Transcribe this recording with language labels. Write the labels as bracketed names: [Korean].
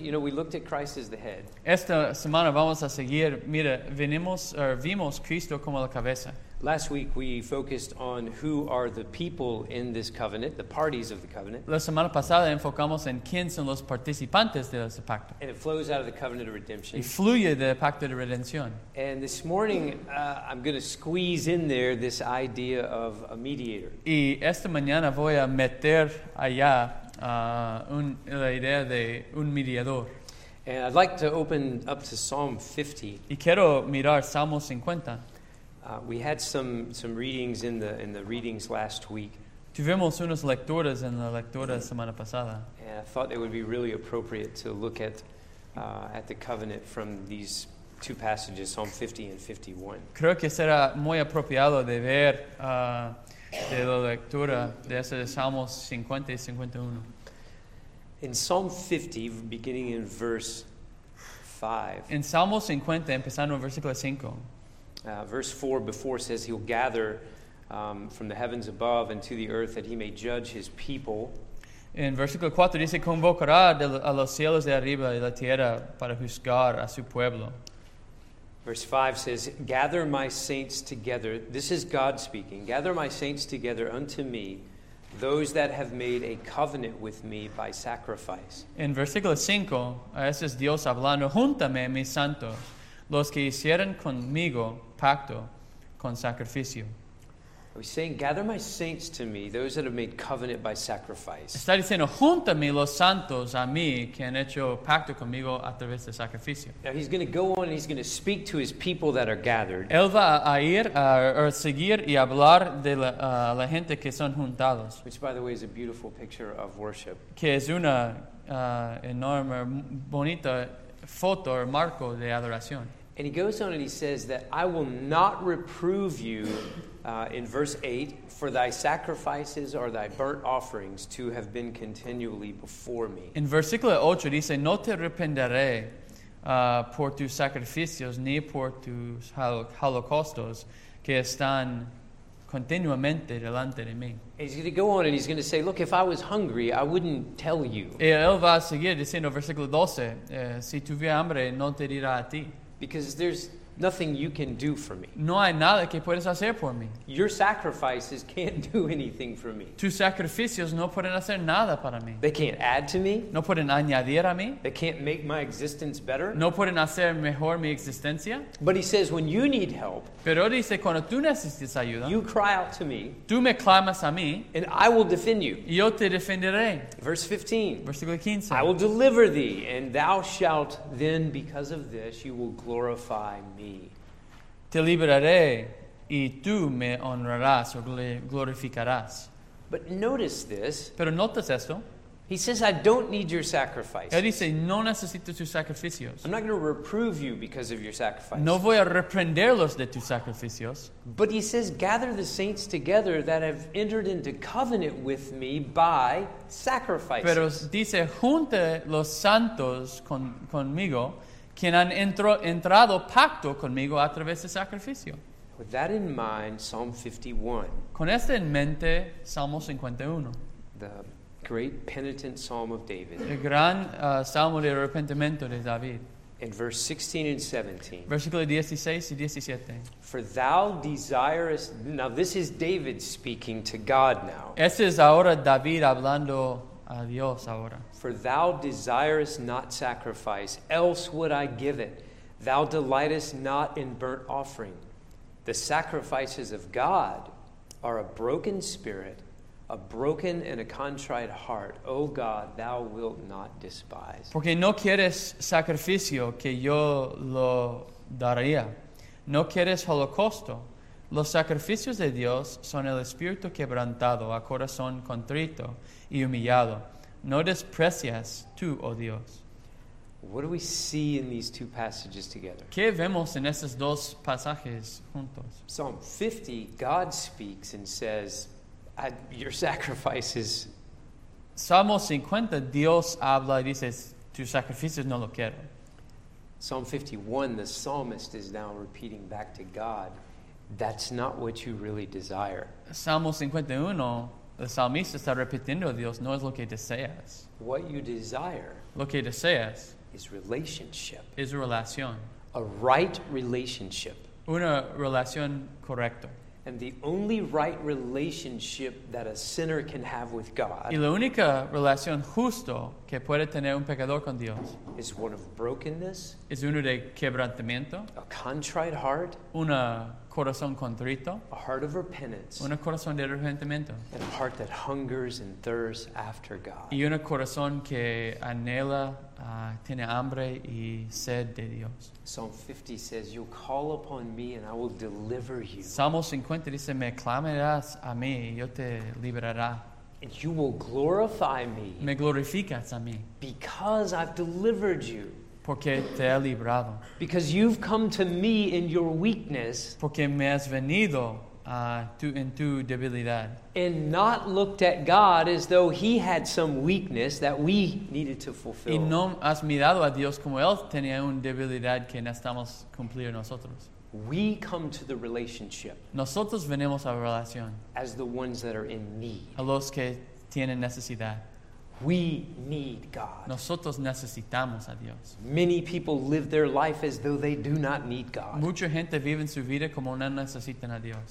[English] You know, we looked at Christ as the head. [Spanish] Esta semana vamos a seguir. Mira, vimos Cristo como la cabeza. [English] Last week we focused on who are the people in this covenant, the parties of the covenant. [Spanish] La semana pasada enfocamos en quién son los participantes de ese pacto. [English] And it flows out of the covenant of redemption. [Spanish] Y fluye del pacto de redención. [English] And this morning I'm going to squeeze in there this idea of a mediator. [Spanish] Y esta mañana voy a meter allá la idea de un mediador. [English] And I'd like to open up to Psalm 50. [Spanish] Y quiero mirar Salmo 50. [English] We had some readings in the readings last week. [Spanish] Tuvimos unas lecturas en la lectura semana pasada. [English] And I thought it would be really appropriate to look at the covenant from these two passages, Psalm 50 and 51. [Spanish] Creo que será muy apropiado de ver de la lectura de ese de Salmos 50 y 51. [English] In Psalm 50, beginning in verse 5. [Spanish] En Salmo 50, empezando en versículo 5. [English] Verse 4 before says he'll gather from the heavens above and to the earth that he may judge his people. [Spanish] En versículo 4 dice convocará a los cielos de arriba y la tierra para juzgar a su pueblo. [English] Verse 5 says gather my saints together. This is God speaking. Gather my saints together unto me, those that have made a covenant with me by sacrifice. [Spanish] En versículo 5 ese es Dios hablando, júntame mis santos. Los que hicieron conmigo pacto con sacrificio. [English] He's saying, gather my saints to me, those that have made covenant by sacrifice. [Spanish] Está diciendo, júntame los santos a mí que han hecho pacto conmigo a través de sacrificio. [English] Now he's going to go on and he's going to speak to his people that are gathered. [Spanish] Él va a ir a seguir y hablar de la gente que son juntados. [English] Which, by the way, is a beautiful picture of worship. [Spanish] Que es una enorme, bonita foto or marco de adoración. [English] And he goes on and he says that I will not reprove you in verse 8 for thy sacrifices or thy burnt offerings to have been continually before me. [Spanish] En versículo 8 dice no te arrependeré por tus sacrificios ni por tus holocaustos que están continuamente delante de mí. [English] He's going to go on and he's going to say, look, if I was hungry, I wouldn't tell you. [Spanish] Y él va a seguir diciendo, versículo 12, si tuviera hambre, no te dirá a ti. [English] Because there's nothing you can do for me. [Spanish] No hay nada que puedes hacer por mí. [English] Your sacrifices can't do anything for me. [Spanish] Tus sacrificios no pueden hacer nada para mí. [English] They can't add to me. [Spanish] No pueden añadir a mí. [English] They can't make my existence better. [Spanish] No pueden hacer mejor mi existencia. [English] But he says, when you need help, [Spanish] pero dice, cuando tú necesitas ayuda, [English] you cry out to me, [Spanish] tú me clamas a mí, [English] and I will defend you. [Spanish] Yo te defenderé. [English] Verse 15. [Spanish] Versículo 15. [English] I will deliver thee, and thou shalt then, because of this, you will glorify me. [Spanish] Te liberaré y tú me honrarás o glorificarás. [English] But notice this. [Spanish] Pero notas esto. [English] He says, I don't need your sacrifice. [Spanish] Él dice, no necesito tus sacrificios. [English] I'm not going to reprove you because of your sacrifice. [Spanish] No voy a reprenderlos de tus sacrificios. [English] But he says, gather the saints together that have entered into covenant with me by sacrifice. [Spanish] Pero dice, junte los santos conmigo quien han entrado pacto conmigo a través de sacrificio. [English] With that in mind, Psalm 51. [Spanish] Con este en mente, Salmo 51. [English] The great penitent psalm of David. [Spanish] El gran salmo de arrepentimiento de David. [English] In verse 16 and 17. [Spanish] Versículo 16 y 17. [English] For thou desirest... Now, this is David speaking to God now. [Spanish] Este es ahora David hablando a Dios ahora. [English] For thou desirest not sacrifice, else would I give it. Thou delightest not in burnt offering. The sacrifices of God are a broken spirit, a broken and a contrite heart. O God, thou wilt not despise. [Spanish] Porque no quieres sacrificio que yo lo daría. No quieres holocausto. Los sacrificios de Dios son el espíritu quebrantado, a corazón contrito y humillado. No desprecias tú, oh Dios. [English] What do we see in these two passages together? [Spanish] ¿Qué vemos en estos dos pasajes juntos? [English] Psalm 50, God speaks and says, your sacrifices... [Spanish] Salmo 50, Dios habla y dice, tus sacrificios no lo quiero. [English] Psalm 51, the psalmist is now repeating back to God, that's not what you really desire. [Spanish] Salmo 51, El salmista está repitiendo a Dios, no es lo que deseas. [English] What you desire, [Spanish] lo que deseas, [English] is relationship. [Spanish] Es relación. [English] A right relationship. [Spanish] Una relación correcta. [English] And the only right relationship that a sinner can have with God, [Spanish] y la única relación justo que puede tener un pecador con Dios, [English] is one of brokenness, [Spanish] es uno de quebrantamiento, [English] a contrite heart, [Spanish] una corazón contrito, [English] a heart of repentance, [Spanish] una corazón de arrepentimiento, [English] and a heart that hungers and thirsts after God, [Spanish] y una corazón que anhela, tiene hambre y sed de Dios. [English] Psalm 50 says, "You'll call upon me, and I will deliver you." [Spanish] Salmo 50 dice, "Me clamarás a mí, y yo te liberará." [English] And you will glorify me. [Spanish] Me glorificas a mí. [English] Because I've delivered you. [Spanish] Porque te he librado. [English] Because you've come to me in your weakness. [Spanish] Porque me has venido en tu debilidad. [English] And not looked at God as though he had some weakness that we needed to fulfill. [Spanish] Y no has mirado a Dios como él tenía una debilidad que necesitamos cumplir nosotros. [English] We come to the relationship. [Spanish] Nosotros venimos a la relación. [English] As the ones that are in need. [Spanish] A los que tienen necesidad. [English] We need God. [Spanish] Nosotros necesitamos a Dios. [English] Many people live their life as though they do not need God. [Spanish] Mucha gente vive en su vida como no necesitan a Dios.